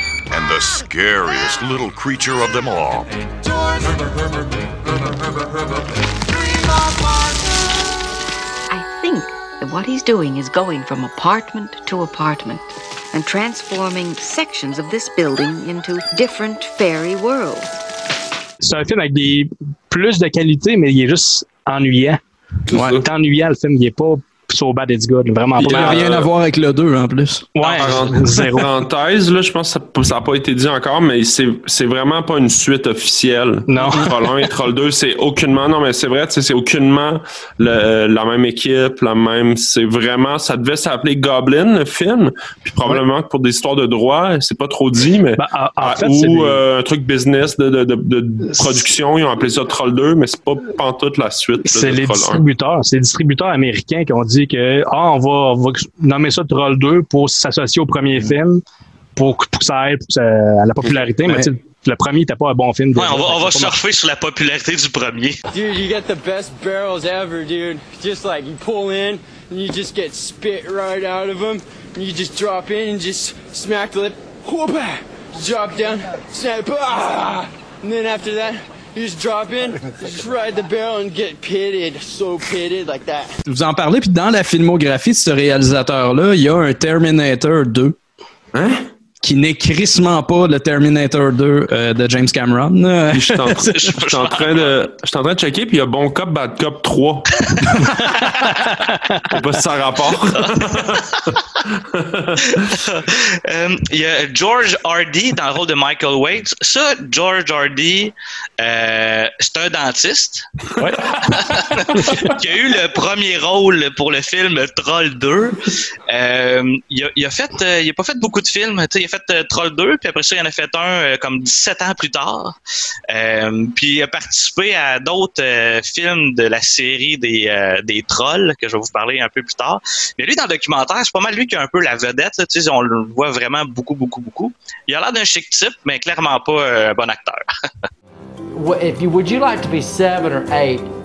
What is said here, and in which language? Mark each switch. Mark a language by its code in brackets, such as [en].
[en] And the scariest little creature of them all. I think that what he's doing is going from apartment to apartment and transforming sections of this building into different fairy worlds. [fr] C'est un film avec des plus de qualité, mais il est juste ennuyant. Ouais, il est ennuyant, le film, il est pas So Bad It's Good, vraiment. Il n'a rien à voir avec le 2, en plus. Ouais, zéro. Parenthèse, là, je pense que ça n'a pas été dit encore, mais c'est vraiment pas une suite officielle. Non. Troll 1 et Troll 2, c'est aucunement... Non, mais c'est vrai, c'est aucunement la même équipe, la même... C'est vraiment... Ça devait s'appeler Goblin, le film. Puis probablement pour des histoires de droit, c'est pas trop dit, mais... un truc business de production, ils ont appelé ça Troll 2, mais c'est pas pantoute la suite là, c'est de Troll 1. C'est les distributeurs américains qui ont dit que on va nommer ça Troll 2 pour s'associer au premier film pour ça aide à la popularité, mais le premier n'était pas un bon film. Ouais, on va surfer sur la popularité du premier. [en] Dude, you get the best barrels ever, dude. Just like you pull in and you just get spit right out of them. And you just drop in and just smack the lip. Whoop! Drop down. Snap. Ah! And then after that, you just drop in, just ride the barrel and get pitted, so pitted like that. [fr] Vous en parlez, puis dans la filmographie de ce réalisateur-là, il y a un Terminator 2. Hein? Qui n'est crissement pas le Terminator 2 de James Cameron. Je suis en train de checker, puis il y a Bon Cop, Bad Cop 3. Je sais pas si ça a rapport. Il y a George Hardy dans le rôle de Michael Waite. Ça, George Hardy, c'est un dentiste. Oui. Qui a eu le premier rôle pour le film Troll 2. Il a pas fait beaucoup de films. T'sais, il a fait Troll 2, puis après ça, il en a fait un comme 17 ans plus tard. Puis il a participé à d'autres films de la série des trolls, que je vais vous parler un peu plus tard. Mais lui, dans le documentaire, c'est pas mal lui qui a un peu la vedette. Là, on le voit vraiment beaucoup, beaucoup, beaucoup. Il a l'air d'un chic type, mais clairement pas un bon acteur. [en] If you, would you like to be 7 or 8?